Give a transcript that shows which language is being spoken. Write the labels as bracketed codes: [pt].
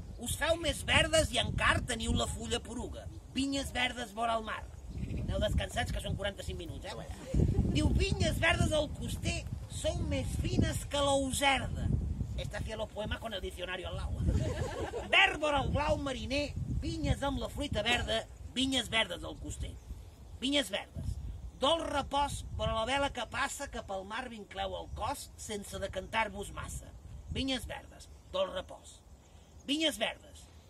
[ca] Us feu més verdes i encara teniu la fulla poruga. Vinyes verdes vora el mar. Aneu descansats, que són 45 minuts, eh? Diu, vinyes verdes al coster són més fines que la userda. [es] Este hacía los poemas con el diccionario al lado. [ca] Verd vora el blau mariner, vinyes amb la fruita verda, vinyes verdes al coster. Vinyes verdes. Dolç repòs vora la vela que passa, que pel mar vincleu el cos sense decantar-vos massa. Vinyes verdes. Dolç repòs. Vinyes verdes.